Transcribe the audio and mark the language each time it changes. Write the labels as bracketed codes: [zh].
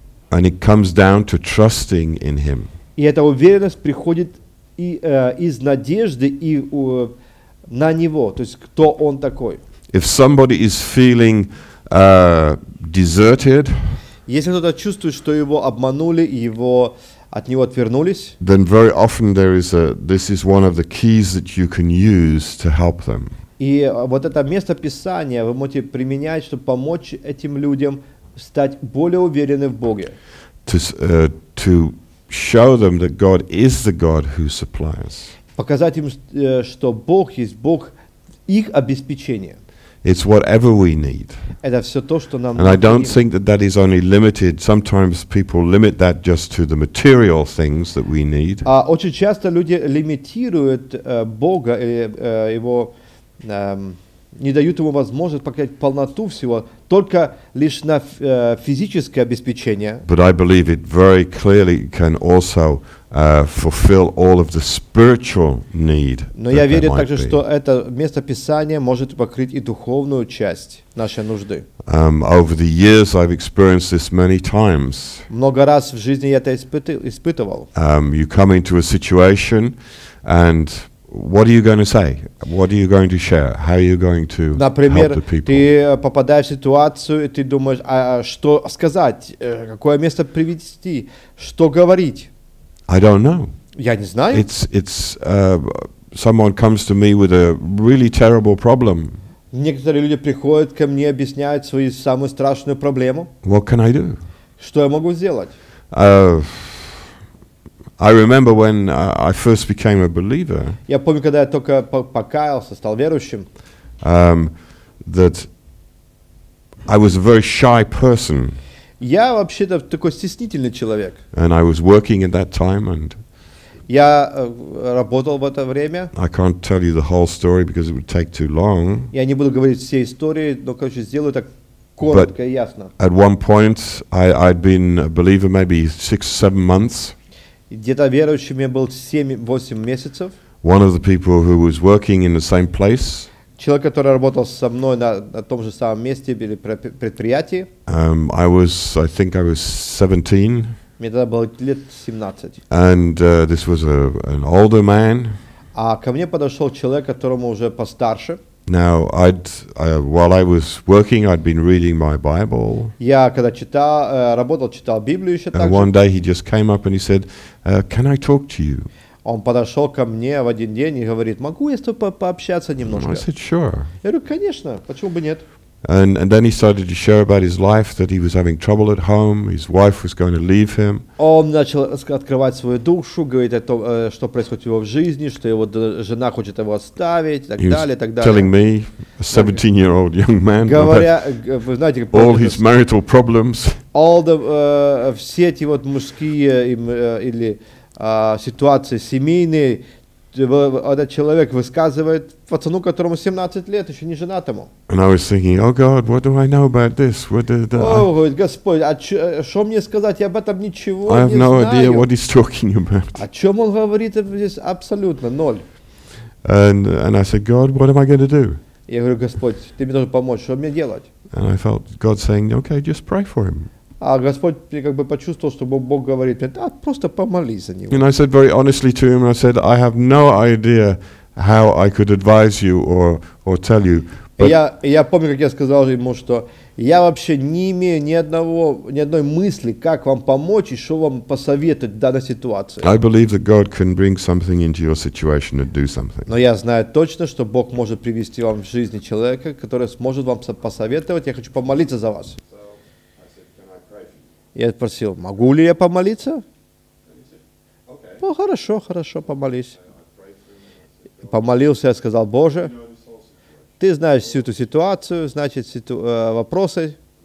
[en] And it comes down to trusting in Him. [ru] И эта уверенность приходит из надежды и на Него, то есть кто Он такой. [en] If somebody is feeling deserted, [ru] если кто-то чувствует, что его обманули, его от него отвернулись, [en] then very often there is a, this is one of the keys that you can use to help them. [ru] И вот это место Писания вы можете применять, чтобы помочь этим людям стать более уверенным в Боге. [en] To show them that God is the God who supplies. [ru] Показать им, что Бог есть Бог их обеспечения. [en] It's whatever we need. [ru] Это все то, что нам. [en] And I don't think that is only limited. Sometimes people limit that just to the material things that we need. [ru] А очень часто люди лимитируют Бога или его не дают ему возможность покрыть полноту всего только лишь на физическое обеспечение. [en] But I believe it very clearly can also fulfill all of the spiritual need. [ru] Но я верю также, что это место Писания может покрыть и духовную часть нашей нужды. [en] Over the years I've experienced this many times. [ru] Много раз в жизни я это испытывал. [en] You come into a situation and what are you going to say? What are you going to share? How are you going to [ru] Например, [en] help the people? [ru] Ты попадаешь в ситуацию, и ты думаешь, что сказать? Какое место привести? Что говорить? [en] I don't know. [ru] Я не знаю. [en] It's someone comes to me with a really terrible problem. [ru] Некоторые люди приходят ко мне, объясняют свою самую страшную проблему. [en] What can I do? [ru] Что я могу сделать? [en] I remember when I first became a believer. [ru] Я помню, когда я только покаялся, стал верующим. [en] That I was a very shy person. [ru] Я вообще-то такой стеснительный человек. [en] And I was working at that time, and [ru] я работал в это время. [en] I can't tell you the whole story because it would take too long. [ru] Я не буду говорить все истории, но короче сделаю так. Коротко и ясно. [en] But at one point, I'd been a believer maybe 6 or 7 months. [ru] Где-то верующим я был 7-8 месяцев. [en] One of the people who was working in the same place. [ru] Человек, который работал со мной на том же самом месте или предприятии. [en] I think I was 17. [ru] Мне тогда было лет 17. [en] And this was an older man. [ru] А ко мне подошел человек, которому уже постарше. [en] Now, while I was working, I'd been reading my Bible. [ru] Я когда читал, работал, читал Библию еще также. [en] And one day he just came up and he said, "Can I talk to you?" [ru] Он подошел ко мне в один день и говорит, могу я с тобой пообщаться немножко? [en] And I said, "Sure." [ru] Я говорю, конечно, почему бы нет? [en] And then he started to share about his life, that he was having trouble at home, his wife was going to leave him. [ru] Он начал открывать свою душу, говорить о том, что происходит в его жизни, что его жена хочет его оставить, так далее, так далее. [en] Telling me, a 17-year-old young man, [ru] говоря, вы знаете, [en] all his marital problems. All the, [ru] все эти вот мужские или ситуации семейные, этот человек высказывает пацану, которому 17 лет, еще не женатому. [en] And I was thinking, oh God, what do I know about this? What the [ru] oh, Господь, а что мне сказать? Я об этом ничего не знаю. [en] I have no [ru] знаю. [en] Idea what he's talking about. [ru] О чем он говорит здесь? Абсолютно ноль. [en] And I said, God, what am I going to do? [ru] Я говорю, Господь, ты мне должен помочь, что мне делать? [en] And I felt God saying, okay, just pray for him. [ru] А Господь как бы почувствовал, что Бог говорит мне, да, просто помолись за него. [en] And I said very honestly to him, I said, I have no idea how I could advise you or tell you. [ru] Я помню, как я сказал ему, что я вообще не имею ни одной мысли, как вам помочь и что вам посоветовать в данной ситуации. [en] I believe that God can bring something into your situation and do something. [ru] Но я знаю точно, что Бог может привести вам в жизни человека, который сможет вам посоветовать. Я хочу помолиться за вас. Я спросил, могу ли я помолиться? [en] Said, [ru] okay. Ну, хорошо, хорошо, помолись. Помолился, я сказал, Боже, ты знаешь всю эту ситуацию, значит, вопросы.